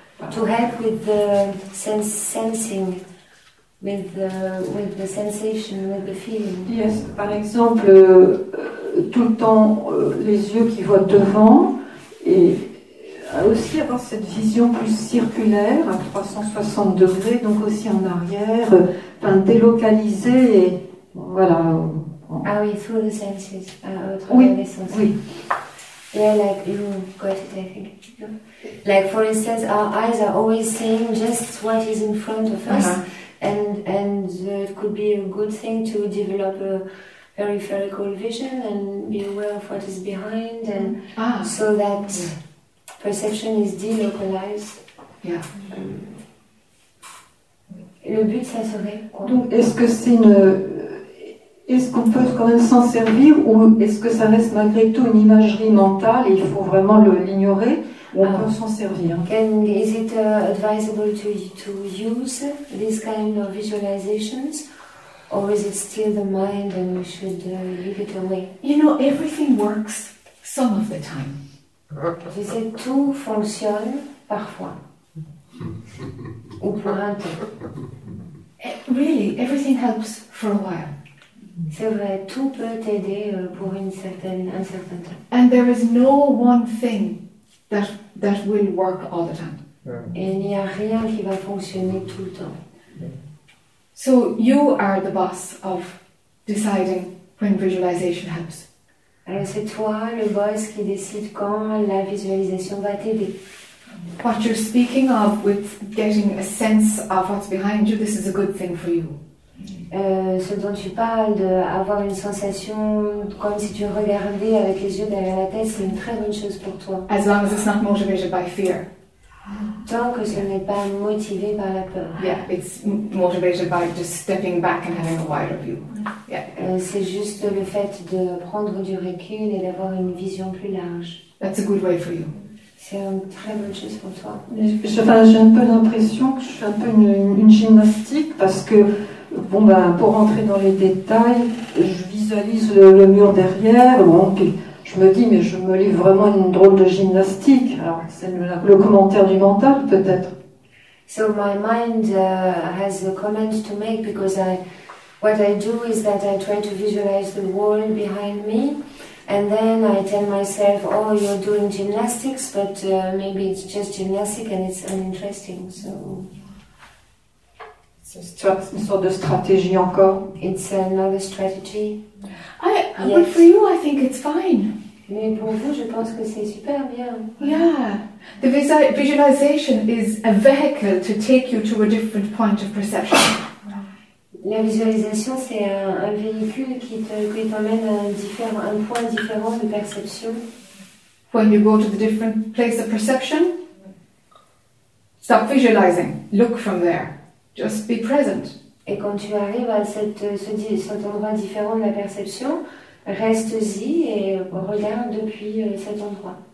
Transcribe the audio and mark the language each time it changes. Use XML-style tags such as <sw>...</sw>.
<en>To help with the sensing, with the sensation, with the feeling. Yes.</en> <fr>Par exemple, tout le temps les yeux qui voient devant et aussi avoir cette vision plus circulaire, à 360 degrés, donc aussi en arrière, enfin délocaliser et voilà. Ah oui,</fr> <en>through the senses,</en> <fr>oui, les sens. Oui.</fr> <en>Yeah, like you got it, I think. Like for instance, our eyes are always seeing just what is in front of us, and it could be a good thing to develop a peripheral vision and be aware of what is behind, and so that. Yeah. Perception is delocalized. Yeah.</en> <fr>Le but, ça serait quoi? Donc, est-ce que c'est une... Est-ce qu'on peut quand même s'en servir ou est-ce que ça reste malgré tout une imagerie mentale et il faut vraiment l'ignorer ou on peut s'en servir?</fr> <en>And is it advisable to use this kind of visualizations or is it still the mind and we should leave it away? You know, everything works some of the time.</en> <fr>Tu sais, tout fonctionne parfois. Ou pour un temps.</fr> <en>Really, everything helps for a while.</en> <fr>C'est vrai, tout peut t'aider pour un certain temps.</fr> <en>And there is no one thing that will work all the time.</en> <fr>Et il n'y a rien qui va fonctionner tout le temps.</fr> <en>So you are the boss of deciding when visualization helps.</en> <fr>Alors c'est toi le boss qui décide quand la visualisation va t'aider.</fr> <en>What you're speaking of with getting a sense of what's behind you, this is a good thing for you.</en> <fr>Ce dont tu parles, d'avoir une sensation comme si tu regardais avec les yeux derrière la tête, c'est une très bonne chose pour toi.</fr> <en>As long as it's not motivated by fear.</en> <fr>Tant que ce n'est pas motivé par la peur.</fr> <en>Yeah, it's motivated by just stepping back and having a wider view. Yeah.</en> <fr>C'est juste le fait de prendre du recul et d'avoir une vision plus large.</fr> <en>That's a good way for you.</en> <fr>C'est une très bonne chose pour toi. J'ai un peu l'impression que je suis un peu une gymnastique parce que, bon, ben, pour rentrer dans les détails, je visualise le mur derrière, bon, puis je me dis, mais je me livre vraiment une drôle de gymnastique. Alors, c'est le commentaire du mental, peut-être.</fr> <en>So my mind has a comment to make because I... What I do is that I try to visualize the wall behind me, and then I tell myself, "Oh, you're doing gymnastics, but maybe it's just gymnastics and it's uninteresting." So, it's a sort of strategy, encore. It's another strategy. But for you, I think it's fine.</en> <fr>Mais pour vous, je pense que c'est super bien.</fr> <en>Yeah, the visualization is a vehicle to take you to a different point of perception.</en> <fr>La visualisation, c'est un véhicule qui t'emmène à un point différent de perception.</fr> <en>When you go to the different place of perception, stop visualizing. Look from there. Just be present.</en> <fr>Et quand tu arrives à cet endroit différent de la perception, reste-y et regarde depuis cet endroit.</fr>